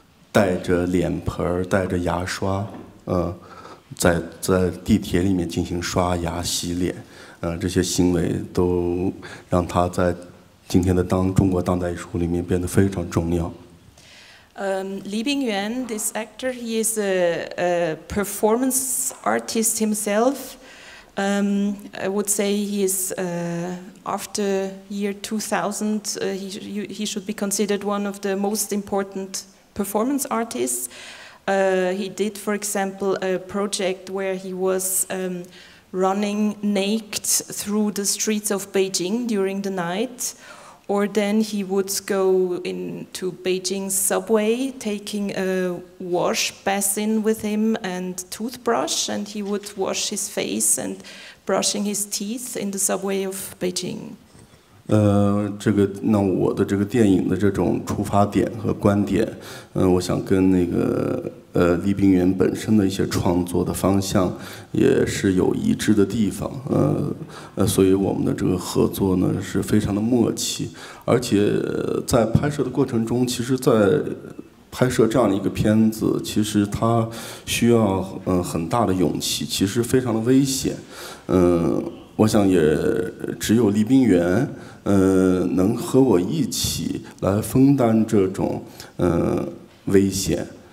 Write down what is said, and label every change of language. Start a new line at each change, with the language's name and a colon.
Chinese: 带着脸盆带着牙刷在地铁里面进行刷牙洗脸，这些行为都让他在今天的中国当代艺术里面变得非常重要。
English: Li Bingyuan, this actor, he is a performance artist himself. I would say he is after year 2000, he should be considered one of the most important performance artists. He did, for example, a project where he was running naked through the streets of Beijing during the night, or then he would go into Beijing's subway taking a wash basin with him and toothbrush, and he would wash his face and brushing his teeth in the subway of Beijing.
Chinese: 这个那我的这个电影的这种出发点和观点，我想跟那个李冰原本身的一些创作的方向也是有一致的地方，所以我们的这个合作呢是非常的默契，而且在拍摄的过程中，其实在拍摄这样的一个片子，其实它需要很大的勇气，其实非常的危险，我想也只有李冰原能和我一起来分担这种危险。